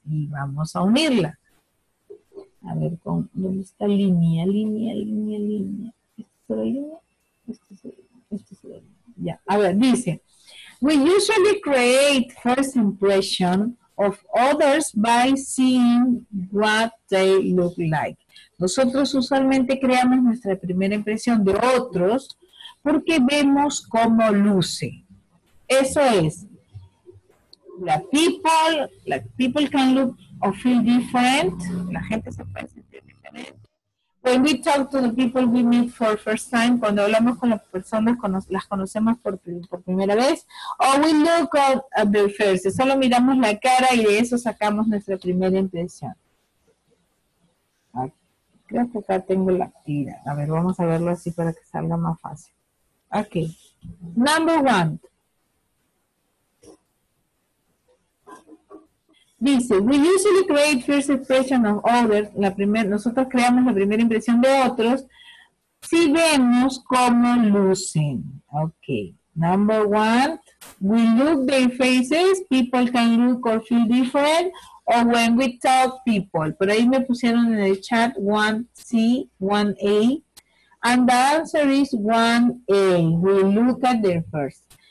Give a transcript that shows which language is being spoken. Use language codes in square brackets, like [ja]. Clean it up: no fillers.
[es] Y vamos a unirla. A ver, ¿dónde está línea? Línea. ¿Esta es la línea? Esta es la línea. Ya. A ver, dice. [en] We usually create first impression of others by seeing what they look like. [es] Nosotros usualmente creamos nuestra primera impresión de otros porque vemos cómo luce. Eso es. [en] Like people can look or feel different. [es] La gente se puede sentir diferente. [en] When we talk to the people we meet for first time, [es] cuando hablamos con las personas, las conocemos por primera vez, [en] or we look at their faces, [es] solo miramos la cara y de eso sacamos nuestra primera impresión. Creo que acá tengo la tira. A ver, vamos a verlo así para que salga más fácil. Ok. [en] Number one. [es] Dice, [en] we usually create first impression of others, [es] nosotros creamos la primera impresión de otros, si vemos cómo lucen. [en] Ok, number one, we look their faces, people can look or feel different, or when we talk people. [es] Por ahí me pusieron en el chat [en] 1C, 1A, and the answer is 1A, we look at their first.